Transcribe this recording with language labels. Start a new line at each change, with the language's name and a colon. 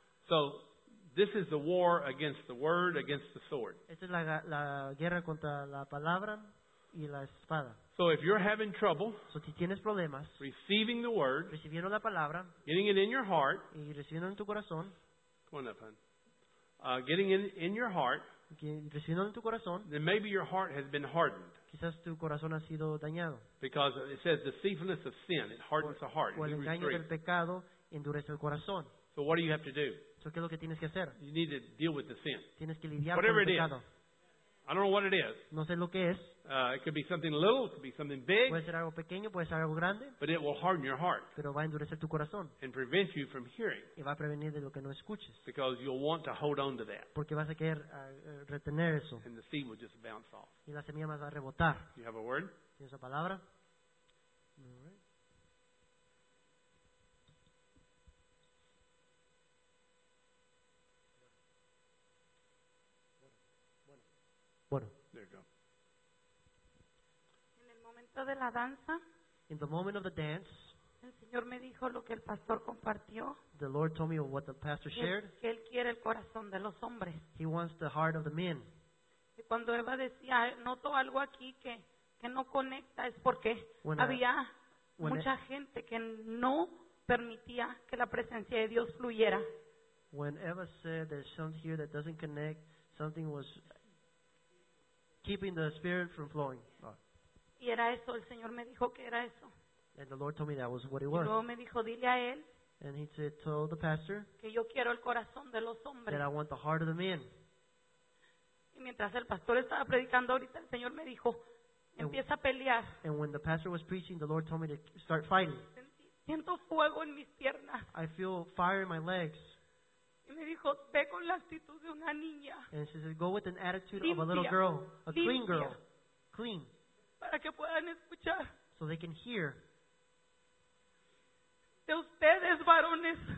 English: So this is the war against the word, against the sword.
Spanish: Esta es la guerra contra la palabra y la espada.
English: So if you're having trouble
Spanish: so, si tienes problemas,
English: receiving the word,
Spanish: recibiendo la palabra,
English: getting it in your heart,
Spanish: y recibiendo en tu corazón,
English: come on up, hon. Getting it in your heart,
Spanish: recibiendo en tu corazón,
English: then maybe your heart has been hardened.
Spanish: Quizás tu corazón ha sido dañado.
English: Because it says the deceitfulness of sin, it hardens the heart.
Spanish: O el engaño del pecado endurece el corazón.
English: So what do you have to do?
Spanish: So, ¿qué es lo que tienes que hacer?
English: You need to deal with the sin.
Spanish: Tienes que lidiar
English: whatever
Spanish: con el pecado.
English: It is. I don't know what it is.
Spanish: No sé lo que es.
English: It could be something little, it could be something big.
Spanish: Puede ser algo pequeño, puede ser algo grande.
English: But it will harden your heart.
Spanish: Pero va a endurecer tu corazón.
English: And prevent you from hearing.
Spanish: Y va a prevenir de lo que no escuches.
English: Because you'll want to hold on to that.
Spanish: Porque vas a querer retener eso.
English: And the seed will just bounce off.
Spanish: Y la semilla más va a rebotar.
English: You have a word?
Spanish: ¿Tienes la palabra? De la danza.
English: In the moment of the dance,
Spanish: el Señor me dijo lo que el pastor compartió.
English: The Lord told me what the pastor shared.
Spanish: Que él quiere el corazón de los hombres.
English: He wants the heart of the men.
Spanish: Y cuando Eva decía, noto algo aquí que no conecta, es porque
English: when
Spanish: había a, mucha gente que no permitía que la presencia de Dios fluyera.
English: When Eva said there's something here that doesn't connect, something was keeping the spirit from flowing.
Spanish: Y era eso, el Señor me dijo que era eso.
English: And the Lord told me that was what it was.
Spanish: Y luego me dijo, dile a él.
English: And he said, told the pastor.
Spanish: Que yo quiero el corazón de los hombres.
English: That I want the heart of the men.
Spanish: Y mientras el pastor estaba predicando ahorita, el Señor me dijo, empieza a pelear.
English: And when the pastor was preaching, the Lord told me to start fighting.
Spanish: Siento fuego en mis piernas.
English: I feel fire in my legs.
Spanish: Y me dijo, ve con la actitud de una niña.
English: And she said, go with an attitude
Spanish: limpia.
English: Of a little girl. A
Spanish: limpia.
English: Clean girl. Clean.
Spanish: Para que puedan escuchar.
English: So they can hear.
Spanish: De ustedes, varones.